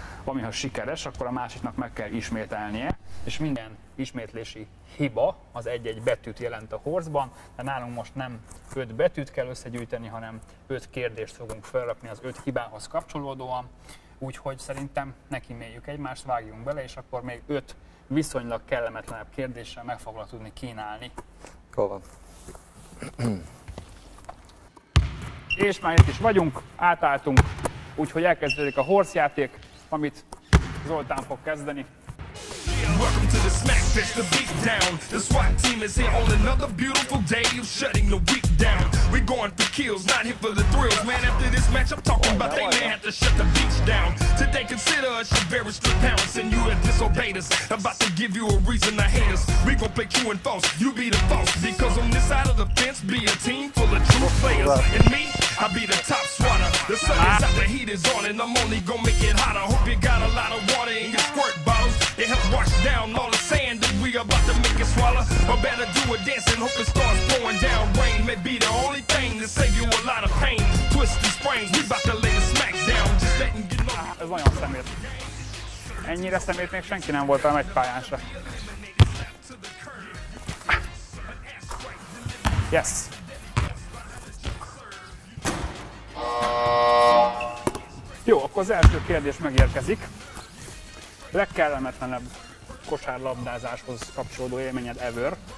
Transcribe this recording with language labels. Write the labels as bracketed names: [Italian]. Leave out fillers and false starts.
[Hungarian] ami ha sikeres, akkor a másiknak meg kell ismételnie, és minden ismétlési hiba az egy-egy betűt jelent a Horse-ban, de nálunk most nem 5 betűt kell összegyűjteni, hanem 5 kérdést fogunk felrakni az 5 hibához kapcsolódóan, úgyhogy szerintem nekiméljük egymást, vágjunk bele, és akkor még 5 viszonylag kellemetlenebb kérdéssel meg fogla tudni kínálni. Hol van? és már itt is vagyunk, átálltunk, úgyhogy elkezdődik a horse játék, amit Zoltán fog kezdeni. [English] Welcome to the Smackfest, the beatdown. The SWAT team is here on another beautiful day of shutting the week down. We're going for kills, not here for the thrills. Man, after this match I'm talking about, they may have to shut the beach down. Today consider us your very strict parents, and you have disobeyed us. About to give you a reason to hate us. We gon' play true and false, you be the false. Because on this side of the fence be a team full of true players. And me, I be the top swatter. The sun is out, the heat is on, and I'm only gon' make it hotter. Hope you got a lot of water in your squirt bottles. It helps wash down all the sand that we about to make it swallow. Or better do a dance and hope it starts pouring down rain. May be the only thing to save you a lot of pain. Twist the sprains, we about to lay the smack down. Just letting you know. [Hungarian] Ah, ez nagyon szemét. Ennyire szemét még senki nem volt a meccs pályán se. [English] Yes. [Hungarian] Jó, akkor az első kérdés megérkezik. Legkellemetlenebb kosárlabdázáshoz kapcsolódó élményed ever.